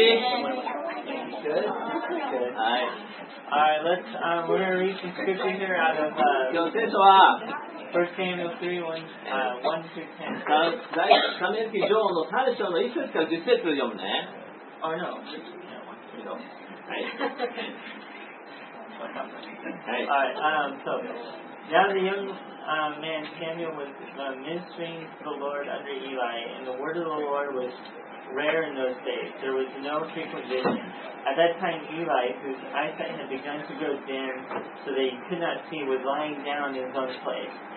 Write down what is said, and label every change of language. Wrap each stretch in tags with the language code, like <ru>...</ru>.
<en>Alright, we're going to read some scripture here out of First Samuel 3, 1-10.</en> <ja>第一、三年記上の 3章の1節から10節読むね。</ja> <en>Oh, no. Now the young man Samuel was ministering to the Lord under Eli, and the word of the Lord was rare in those days. There was no frequent vision. At that time, Eli, whose eyesight had begun to go dim so that he could not see, was lying down in his own place.</en>